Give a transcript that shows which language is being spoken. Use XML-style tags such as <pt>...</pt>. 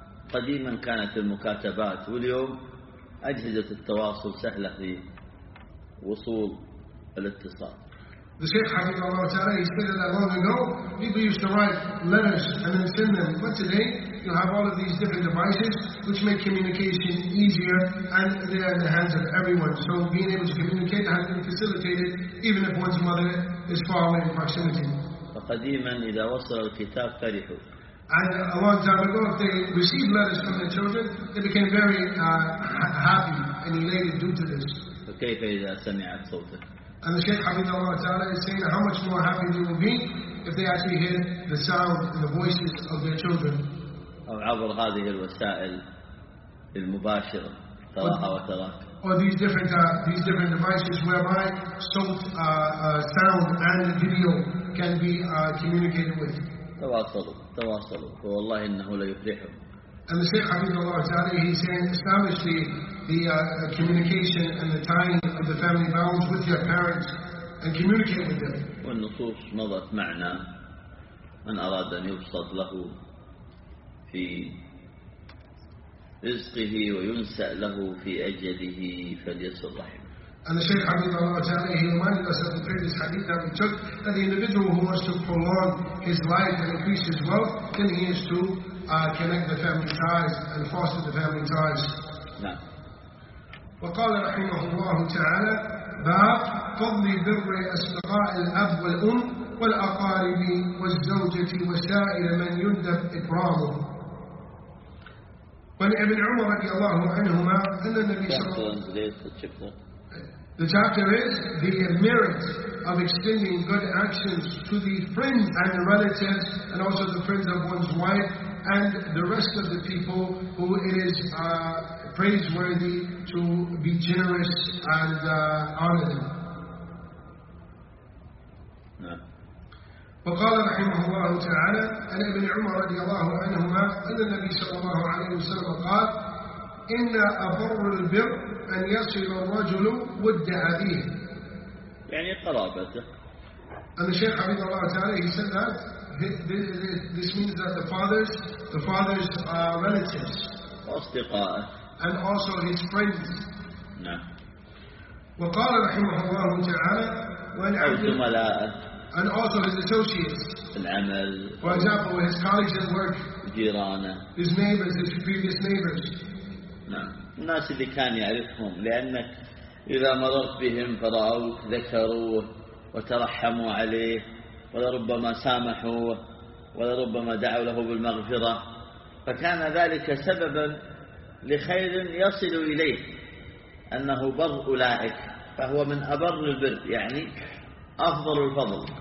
<ar>فقديما كانت المكاتبات واليوم أجهزة التواصل سهلة في وصول الاتصال.</ar> <en>The Shaykh</en> <ar>حفظه الله تعالى</ar> <en>he said that long ago people used to write letters and then send them, but today you have all of these different devices which make communication easier and they are in the hands of everyone, so being able to communicate has been facilitated even if one's mother is far away in proximity.</en> <ar>فقديما إذا وصل الكتاب فرحوا.</ar> <en>And a long time ago if they received letters from their children they became very happy and elated due to this.</en> <ar>فكيف إذا سمعت صوته.</ar> <en>And the Shaykh</en> <ar>حفظه الله تعالى</ar> <en>is saying how much more happy they will be if they actually hear the sound and the voices of their children.</en> <ar>أو عبر هذه الوسائل المباشرة تراها وتراك.</ar> <en>Or these different devices whereby salt, sound and video can be communicated with.</en> <ar>تواصلوا تواصلوا فوالله إنه ليفلحوا.</ar> <en>And the Shaykh</en> <ar>حفظه الله تعالى</ar> <en>he's saying establish the communication and the tying of the family bonds with your parents and communicate with them.</en> <ar>والنصوص مضت معنا من أراد أن يبسط له في رزقه وينسأ له في أجله فليصل رحمه.</ar> <en>And the Shaykh</en> <ar>حفظه الله تعالى</ar> <en>he reminded us of the previous hadith that we took that the individual who wants to prolong his life and increase his wealth then he is to connect the family ties and foster the family ties.</en> <ar>نعم. وقال رحمه الله تعالى باب فضل بر أصدقاء الأب والأم والأقارب والزوجة وسائر من يندب إكرامه. وعن ابن عمر رضي الله عنهما أن النبي صلى الله عليه وسلم</ar> <en>The chapter is the merit of extending good actions to the friends and relatives, and also the friends of one's wife and the rest of the people who it is praiseworthy to be generous and honor them.</en> <ar>وقال رحمه الله تعالى عن ابن عمر رضي الله عنهما أن النبي صلى الله عليه وسلم قال إن أبر البر أن يصل الرجل ود أبيه يعني قرابته. أن الشيخ حفظه الله تعالى</ar> <en>he said that this means that the fathers are relatives</en> <ar>أصدقاء</ar> <en>and also his friends.</en> <ar>نعم. وقال رحمه الله تعالى وأن أو زملاء</ar> <en>and also his associates</en> <ar>العمل</ar> <en>for example his colleagues at work</en> <ar>جيرانه</ar> <en>his neighbors his previous neighbors.</en> <ar>نعم. الناس اللي كان يعرفهم لأنك إذا مررت بهم فرأوك ذكروه وترحموا عليه ولربما سامحوه ولربما دعوا له بالمغفرة فكان ذلك سببا لخير يصل إليه أنه بر أولئك فهو من أبر البر يعني أفضل الفضل.</ar>